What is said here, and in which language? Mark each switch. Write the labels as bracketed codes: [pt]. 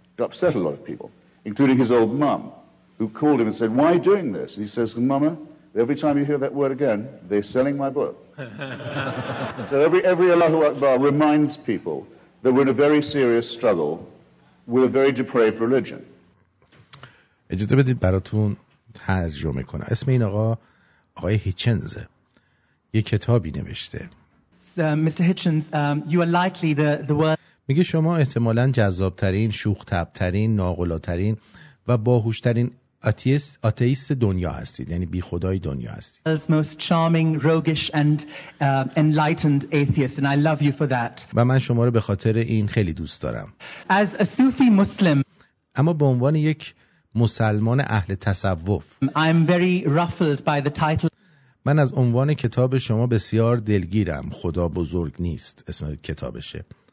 [en] It upset a lot of people, including his old mum, who called him and said, why are you doing this? And he says, Mama, every time you hear that word again, they're selling my book. So every Allahu Akbar reminds people that we're in a very serious struggle with a very depraved religion. [fa] اجازه بدید براتون ترجمه کنم. اسم این آقای هیچنز یک کتابی نوشته. [en] Mr. Hitchens, you are likely the word... [fa] میگه شما احتمالاً جذابترین، شوخ‌طبع‌ترین، ناقلاترین و باهوشترین آتیست دنیا هستید، یعنی بی خدای دنیا هستید. [en] The most charming, roguish and enlightened atheist, and I love you for that. [fa] و من شما رو به خاطر این خیلی دوست دارم. [en] As a Sufi Muslim. [fa] اما به عنوان یک مسلمان اهل تصوف [en] I'm very ruffled by the title. [fa] من از عنوان کتاب شما بسیار دلگیرم. خدا بزرگ نیست اسم کتابشه.